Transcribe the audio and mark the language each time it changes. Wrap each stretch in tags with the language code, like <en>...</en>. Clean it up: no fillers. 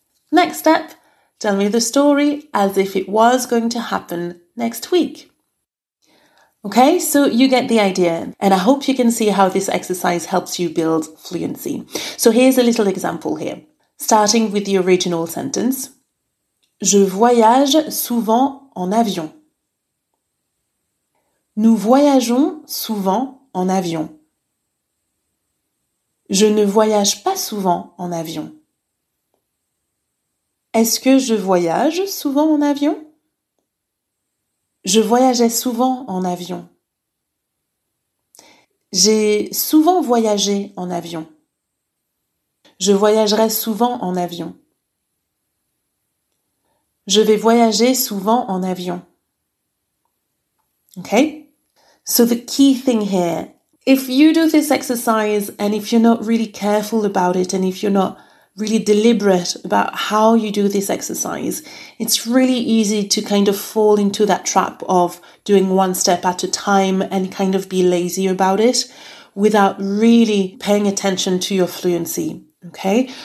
<en>Next step, tell me the story as if it was going to happen next week. Okay, so you get the idea. And I hope you can see how this exercise helps you build fluency. So here's a little example here. Starting with the original sentence.</en> <fr>Je voyage souvent en avion. Nous voyageons souvent en avion. Je ne voyage pas souvent en avion. Est-ce que je voyage souvent en avion? Je voyageais souvent en avion. J'ai souvent voyagé en avion. Je voyagerai souvent en avion. Je vais voyager souvent en avion.</fr> <en>Okay? So the key thing here, if you do this exercise and if you're not really careful about it and if you're not really deliberate about how you do this exercise, it's really easy to kind of fall into that trap of doing one step at a time and kind of be lazy about it without really paying attention to your fluency, okay?</en>